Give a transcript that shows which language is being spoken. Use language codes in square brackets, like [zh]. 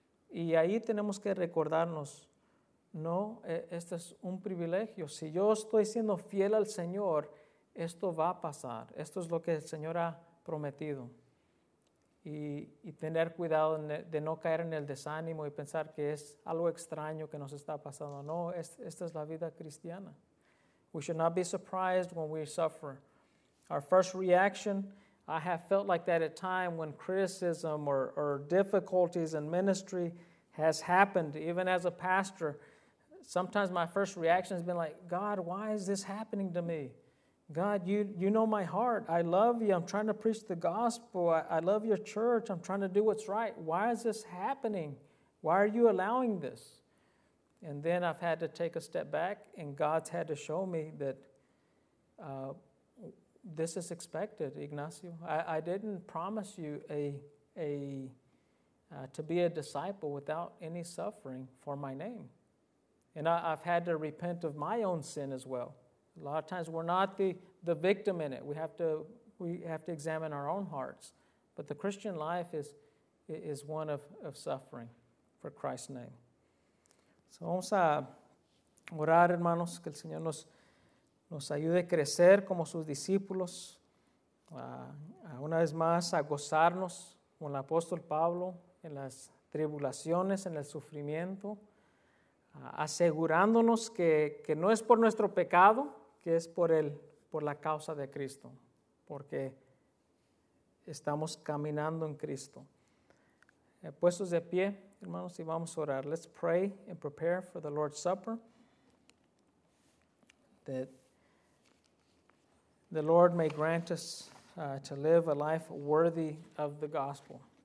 [es] Y ahí tenemos que recordarnos, no, este es un privilegio. Si yo estoy siendo fiel al Señor, esto va a pasar. Esto es lo que el Señor ha prometido. Y tener cuidado de no caer en el desánimo y pensar que es algo extraño que nos está pasando. No, esta es la vida cristiana. [en] We should not be surprised when we suffer. Our first reaction, I have felt like that at time when criticism or difficulties in ministry has happened. Even as a pastor, sometimes my first reaction has been like, God, why is this happening to me? God, you know my heart. I love you. I'm trying to preach the gospel. I love your church. I'm trying to do what's right. Why is this happening? Why are you allowing this? And then I've had to take a step back, and God's had to show me that this is expected, Ignacio. I didn't promise you to be a disciple without any suffering for my name. And I've had to repent of my own sin as well. A lot of times we're not the victim in it. We have to examine our own hearts. But the Christian life is one of suffering for Christ's name. [es] So vamos a orar, hermanos, que el Señor nos ayude a crecer como sus discípulos, una vez más a gozarnos con el apóstol Pablo en las tribulaciones, en el sufrimiento, asegurándonos que no es por nuestro pecado, que es por la causa de Cristo, porque estamos caminando en Cristo. Puestos de pie, hermanos, y vamos a orar. [en] Let's pray and prepare for the Lord's Supper, that the Lord may grant us to live a life worthy of the gospel.